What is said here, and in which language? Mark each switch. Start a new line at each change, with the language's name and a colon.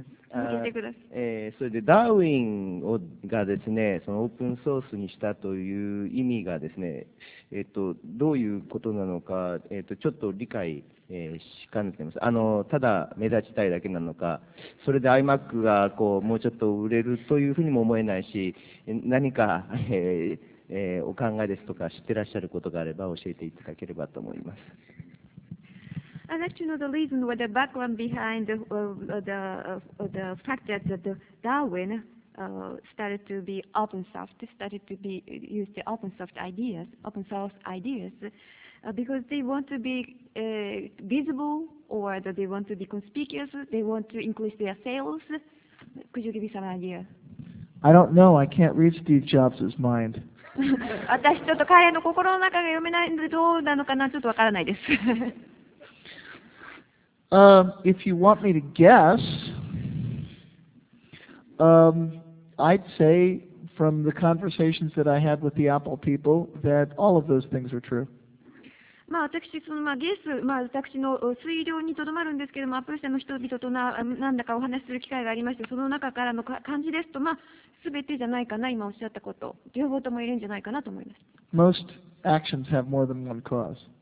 Japanese: それでダーウィンがですね、そのオープンソースにしたという意味がですね、どういうことなのか、ちょっと理解。しかねてます。ただ目立ちたいだけなのか、それで iMac がこうもうちょっと売れるというふうにも思えないし、何か、お考えですとか知ってらっしゃることがあれば教えていただければと思います。
English: I'd like to know the reason or the background behind the fact that the Darwin started to be open soft, started to be used the open soft ideas, open source ideas. Because they want to be visible or that they want to be conspicuous, they want to increase their sales. Could you give me some idea? I don't know. I can't read Steve Jobs' mind.
Japanese: 私ちょっと彼の心の中が読めないのでどうなのかなちょっとわからないです。
English: if you want me to guess, I'd say from the conversations that I had with the Apple people that all of those things are true.
Japanese: まあ、私そのまあゲス、まあ、私の推量にとどまるんですけども、アップル社の人々と何だかお話しする機会がありまして、その中からの感じですと、まあ、全てじゃないかな、今おっしゃったこと、両方ともいるんじゃないかなと思います。
English: Most actions have more than one cause.